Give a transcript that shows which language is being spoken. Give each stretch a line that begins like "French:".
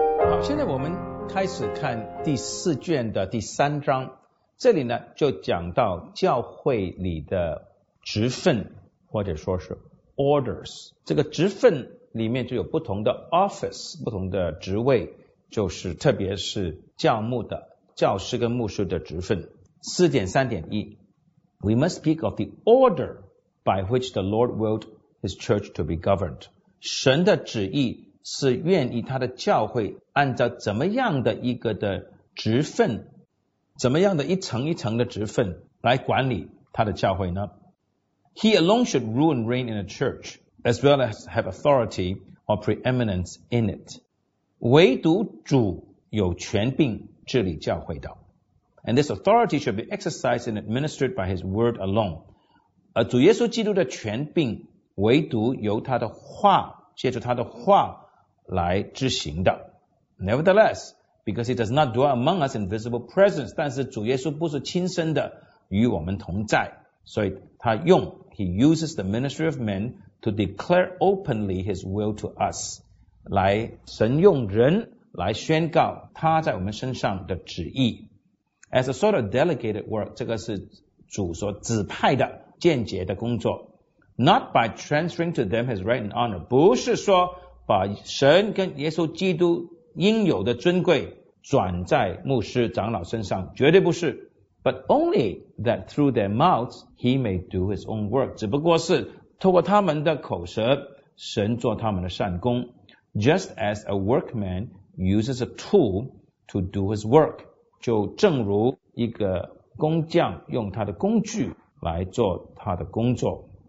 Chinese: 好，现在我们开始看第四卷的第三章，这里呢就讲到教会里的职分，或者说是 orders。这个职分里面就有不同的 office， 不同的职位，就是特别是教牧的教师跟牧师的职分。
English: 4.3.1 We must speak of the order by which the Lord willed his church to be governed.
Chinese: 神的旨意是愿意他的教会按照怎么样的一个的职分，怎么样的一层一层的职分来管理他的教会呢？
English: He alone should rule and reign in a church, as well as have authority or preeminence in it.
Chinese: 唯独主有权柄治理教会道。
English: And this authority should be exercised and administered by his word alone.
Chinese: 而主耶稣基督的权柄唯独由他的话，借助他的话来执行的。
English: Nevertheless, because he does not dwell among us in visible presence,
Chinese: 但是主耶稣不是亲身的与我们同在，所以他用
English: he uses the ministry of men to declare openly his will to us,
Chinese: 来神用人来宣告他在我们身上的旨意。
English: As a sort of delegated work,
Chinese: 这个是主所指派的间接的工作。
English: Not by transferring to them his right and honor.
Chinese: 不是说把神跟耶稣基督应有的尊贵转在牧师长老身上，绝对不是。
English: But only that through their mouths he may do his own work.
Chinese: 只不过是透过他们的口舌，神做他们的善工。
English: Just as a workman uses a tool to do his work.
Chinese: 就正如一个工匠用他的工具来做他的工作。